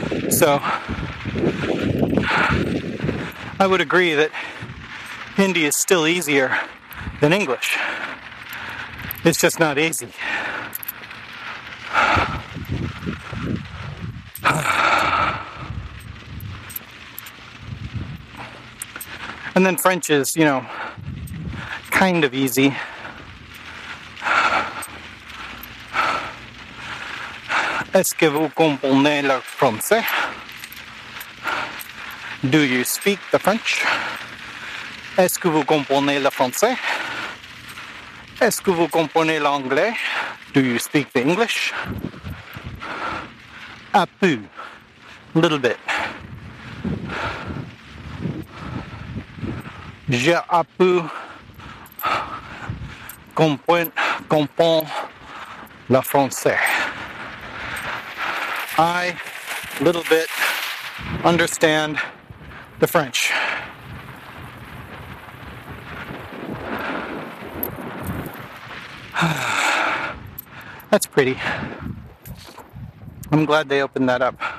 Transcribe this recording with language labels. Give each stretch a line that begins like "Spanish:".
English: So I would agree that Hindi is still easier than English. It's just not easy. And then French is, you know, kind of easy.
French: Est-ce que vous comprenez le français?
English: Do you speak the French?
French: Est-ce que vous comprenez le français? Est-ce que vous comprenez l'anglais?
English: Do you speak the English?
French: Un peu,
English: little bit.
French: Je un peu comprends le français.
English: I, little bit, understand the French. That's pretty. I'm glad they opened that up.